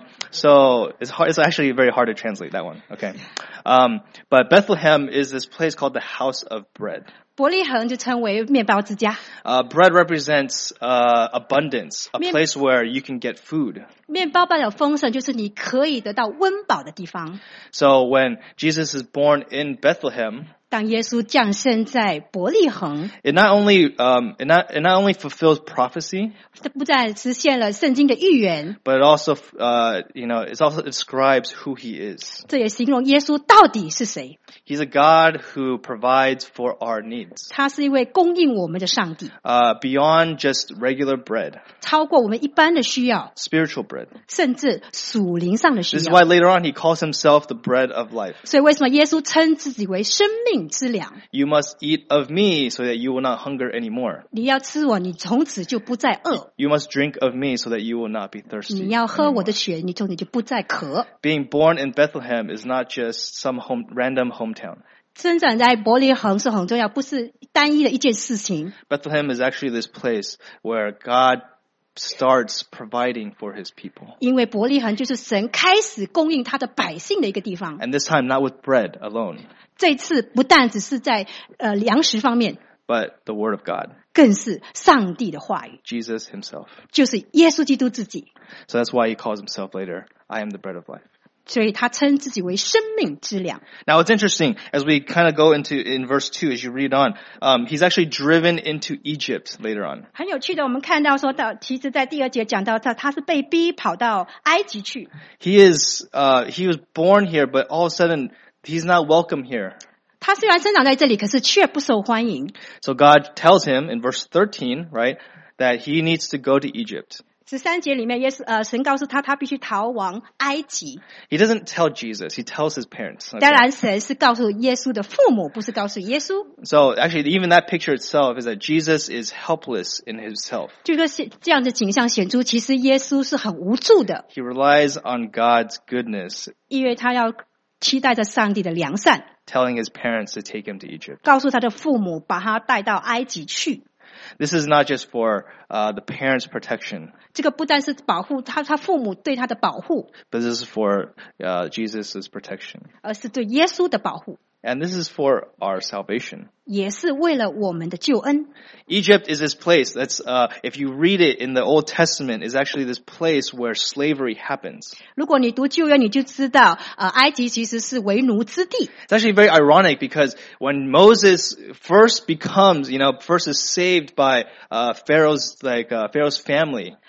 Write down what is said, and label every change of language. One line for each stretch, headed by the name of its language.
English: So it's actually very hard to translate that one. Okay. But Bethlehem is this place called the house of bread.
Chinese: 伯利恒就称为面包之家。
English: Bread represents abundance, a place where you can get food.
Chinese: 面包代表丰盛，就是你可以得到温饱的地方。
English: So when Jesus is born in Bethlehem,
Chinese: 当耶稣降生在伯利恒
English: it not only fulfills prophecy,
Chinese: 不但实现了圣经的预言
English: but it also, it also describes who he is.
Chinese: 这也形容耶稣到底是谁。
English: He's a God who provides for our needs.
Chinese: 他是一位供应我们的上帝。
English: Beyond just regular bread.
Chinese: 超过我们一般的需要。
English: Spiritual bread.
Chinese: 甚至属灵上的需要。
English: This is why later on he calls himself the bread of life.
Chinese: 所以为什么耶稣称自己为生命之粮？
English: You must eat of me so that you will not hunger anymore.
Chinese: 你要吃我，你从此就不再饿。
English: You must drink of me so that you will not be thirsty.
Chinese: 你要喝我的血，你从此就不再渴。
English: Being born in Bethlehem is not just some random hometown.
Chinese: 生长在伯利恒是很重要，不是单一的一件事情。
English: Bethlehem is actually this place where God starts providing for his people.
Chinese: 因为伯利恒就是神开始供应他的百姓的一个地方。
English: And this time not with bread alone.
Chinese: 这次不但只是在粮食方面。
English: But the word of God.
Chinese: 更是上帝的话语。
English: Jesus himself.
Chinese: 就是耶稣基督自己。
English: So that's why he calls himself later, I am the bread of life.
Chinese: 所以他称自己为生命之粮。
English: Now it's interesting, as we kind of go into in verse 2, as you read on, he's actually driven into Egypt later on.
Chinese: 很有趣的，我们看到说到，其实在第二节讲到他是被逼跑到埃及去。
English: He was born here, but all of a sudden, he's not welcome here.
Chinese: 他虽然生长在这里，可是却不受欢迎。
English: So God tells him in verse 13, right, that he needs to go to Egypt.
Chinese: 13节里面耶稣神告诉他他必须逃亡埃及。
English: He doesn't tell Jesus, he tells his parents.、Okay.
Chinese: 当然神是告诉耶稣的父母，不是告诉耶稣。
English: So actually, even that picture itself is that Jesus is helpless in himself.
Chinese: 就是这样的景象显出其实耶稣是很无助的。
English: He relies on God's goodness.
Chinese: 因为他要期待着上帝的良善。
English: Telling his parents to take him to Egypt.
Chinese: 告诉他的父母把他带到埃及去。
English: This is not just for the parents' protection.
Chinese: 这个不但是保护他父母对他的保护。
English: But this is for Jesus' protection.
Chinese: 而是对耶稣的保护。
English: And this is for our salvation.
Chinese: 也是为了我们的救恩。
English: Egypt is this place that's, if you read it in the Old Testament, is actually this place where slavery happens.
Chinese: 如果你读旧约，你就知道，埃及其实是为奴之地。
English: It's actually very ironic because when Moses first becomes, you know, first is saved by, Pharaoh's family.